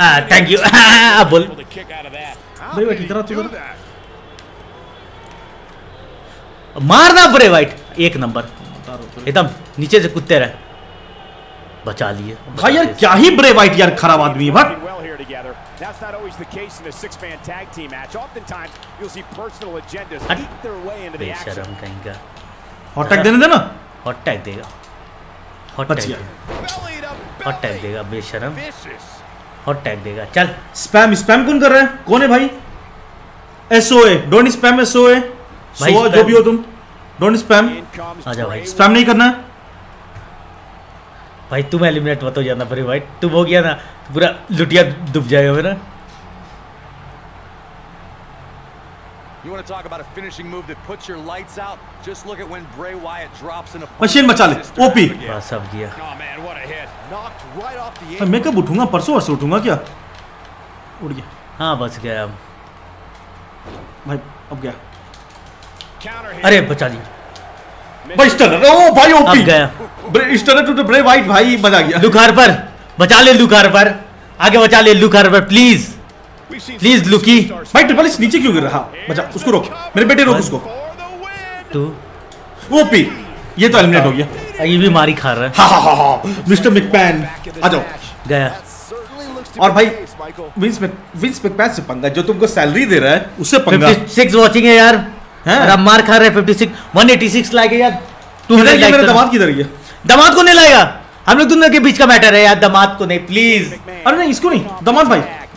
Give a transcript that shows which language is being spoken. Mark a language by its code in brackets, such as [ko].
[hi] Thank you बोल भाई wait इधर आ तू मार ना ब्रे वाइट एक नंबर एकदम नीचे से कुत्ते रहे बचा लिए भाई यार क्या ही ब्रे वाइट यार खराब आदमी है [en] That's not always the case in a six-man tag team match. Oftentimes, you'll see personal agendas eat their way into the action. [hi] कहीं का हॉट टैग देने देना हॉट टैग देगा हॉट टैग देगा बेशरम हॉट टैग देगा चल स्पैम स्पैम कौन कर रहा है कौन है भाई SOA [en] don't spam [hi] SOA सो जो भी हो तुम डोंट स्पैम आजा भाई स्पैम नहीं करना भाई तुम एलिमिनेट मत हो जाना भरी भाई तुम हो गया ना पूरा लुटिया डूब जाएगा मेरा [en] You want to talk about a finishing move that puts your lights out? Just look at when Bray Wyatt drops in a [hi] machine bacha le OP pass up gaya [en] Oh man what a hit knocked right off the edge [hi] Main kab uthunga parso aur uthunga kya Ud gaya ha bas gaya ab bhai ab gaya Counter hit Are bacha liya bhai stunner oh bhai OP ab gaya Bray stunner to the Bray Wyatt bhai maza gaya Lukar par bacha le Lukar par aage bacha le Lukar par please please लुकी भाई triple H नीचे क्यों गिर रहा बचा उसको रोक मेरे बेटे रोक उसको तू ओपी ये तो एलिमिनेट हो गया ये भी मारी खा रहा है हा हा हा हा मिस्टर मैकमैन आ जाओ गया और भाई विंस मैकमैन से पंगा जो तुमको सैलरी दे रहा है उससे पंगा 56 वाचिंग है यार हैं अब मार खा रहे 56 186 लाइक है यार तू ने मेरे दिमाग किधर गया दिमाग को नहीं लाएगा हम लोग दोनों के बीच का मैटर है यार दिमाग को नहीं प्लीज अरे नहीं इसको नहीं दिमाग भाई